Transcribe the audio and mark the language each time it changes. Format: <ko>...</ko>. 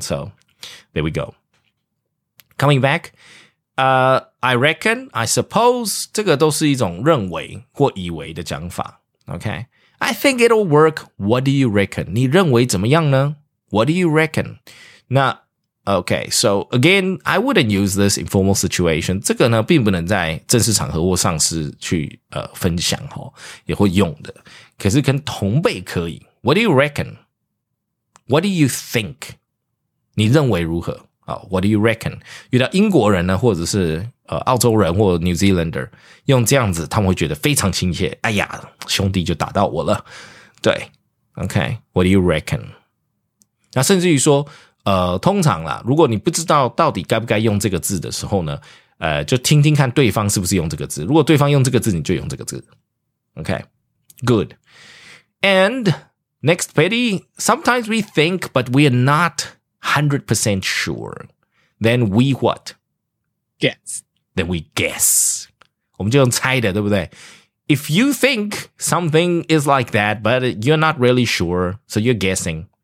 <en>So there we go. Coming back, I reckon, I suppose,</en> <zh>这个都是一种认为或以为的讲法。</zh> <en>Okay? I think it'll work. What do you reckon?</en> <zh>你认为怎么样呢?</zh> <en>What do you reckon? 那 okay, so again, I wouldn't use this informal situation.</en> <zh>这个呢并不能在正式场合或上司去分享齁也会用的。可是跟同辈可以。</zh> <en>What do you reckon? What do you think?</en> <zh>你认为如何?</zh> <en>What do you reckon?</en> <zh>遇到英国人呢或者是澳洲人或 New Zealander, 用这样子他们会觉得非常亲切。哎呀兄弟就打到我了。对。</zh> <en>Okay, what do you reckon?</en> <zh>那甚至于说通常啦如果你不知道到底该不该用这个字的时候呢就听听看对方是不是用这个字。如果对方用这个字你就用这个字。</zh> <en>Okay, good. And next, Petty, sometimes we think, but we are not 100% sure. Then we what? Guess. Then we guess.</en> <zh>我们就用猜的，对不对？</zh> <en>If you think something is like that, but you're not really sure, so you're guessing.</en>